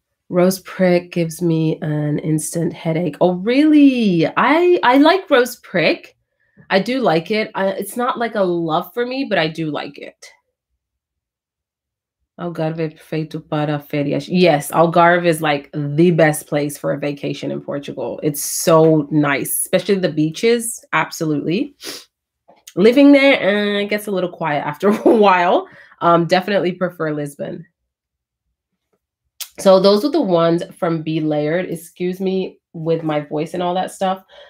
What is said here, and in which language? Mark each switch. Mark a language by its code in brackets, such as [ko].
[en] Rose prick gives me an instant headache. Oh, really? I like rose prick. I do like it. It's not like a love for me, but I do like it. [pt] Algarve perfeito para férias. [en] Yes, Algarve is like the best place for a vacation in Portugal. It's so nice, especially the beaches. Absolutely. Living there, it gets a little quiet after a while. Definitely prefer Lisbon. So those are the ones from Be Layered. Excuse me with my voice and all that stuff.